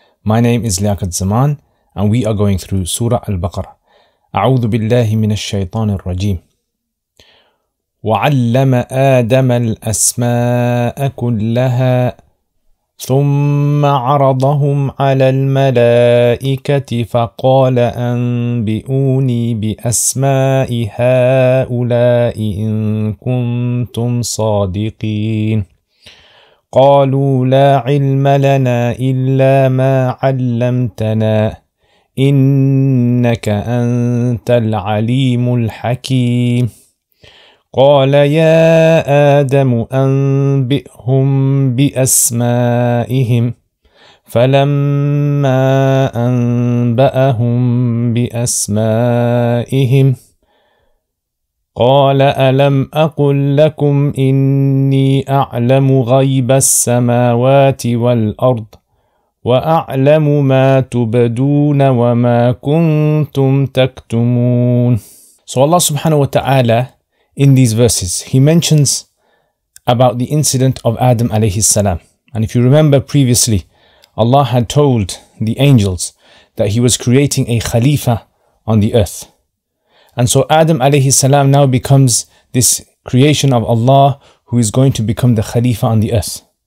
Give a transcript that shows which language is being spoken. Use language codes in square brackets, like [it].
[en] My name is Liaquat Zaman and we are going through Surah al-Baqarah. [ar] A'udhu billahi min ash-shaytan ar-rajim. وَعَلَّمَ آدَمَ الْأَسْمَاءَ كُلَّهَا ثُمَّ عَرَضَهُمْ عَلَى الْمَلَائِكَةِ فَقَالَ أَنْبِئُونِي بِأَسْمَاءِ هَؤُلَاءِ إِن كُنْتُمْ صَادِقِينَ قَالُوا لَا عِلْمَ لَنَا إِلَّا مَا عَلَّمْتَنَا إِنَّكَ أَنْتَ الْعَلِيمُ الْحَكِيمُ قال يا آدم أنبئهم بأسمائهم فلما أنبأهم بأسمائهم قال ألم أقل لكم إني أعلم غيب السماوات والأرض وأعلم ما تبدون وما كنتم تكتمون. [en] So Allah subhanahu wa ta'ala, in these verses, he mentions about the incident of Adam alayhi salam. And if you remember previously, Allah had told the angels that he was creating a khalifa on the earth. And so Adam alayhi salam now becomes this creation of Allah who is going to become the khalifa on the earth.